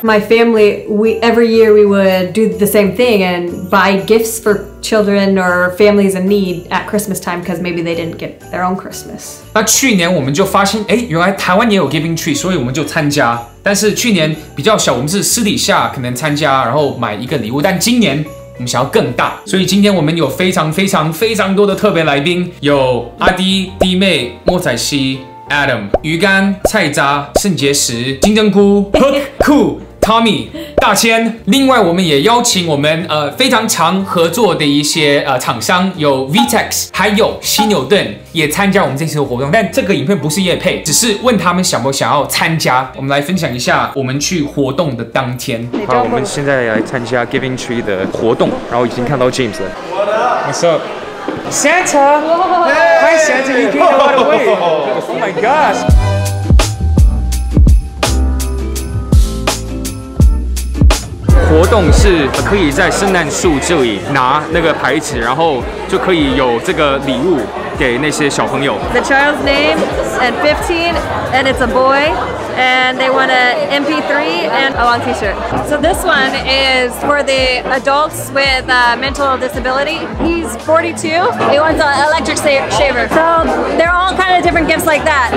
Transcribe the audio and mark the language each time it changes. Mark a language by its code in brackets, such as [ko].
[en] ？My family, we every year we would do the same thing and buy gifts for children or families in need at Christmas time because maybe they didn't get their own Christmas。 [zh] 那去年我们就发现，哎，原来台湾也有 Giving Tree， 所以我们就参加。但是去年比较小，我们是私底下可能参加，然后买一个礼物。但今年我们想要更大，所以今天我们有非常非常非常多的特别来宾，有阿迪、弟妹、莫仔熙、Adam、鱼干、菜渣、肾结石、金针菇、Hook、酷、Tommy、大千。另外，我们也邀请我们非常常合作的一些厂商，有 V-tex， 还有犀牛盾也参加我们这次的活动。但这个影片不是业配，只是问他们想不想要参加。我们来分享一下我们去活动的当天。好，我们现在来参加 Giving Tree 的活动，然后已经看到 James 了。 [en] What's up？ Santa， hi Santa， you gained a lot of weight. Oh my gosh！ [zh] 活动是可以在圣诞树这里拿那个牌子，然后就可以有这个礼物给那些小朋友。 [en] The child's name and 15, and it's a boy. And they want an MP3 and a long t-shirt. So this one is for the adults with a mental disability. He's 42. He wants an electric shaver. So they're all kind of different gifts like that.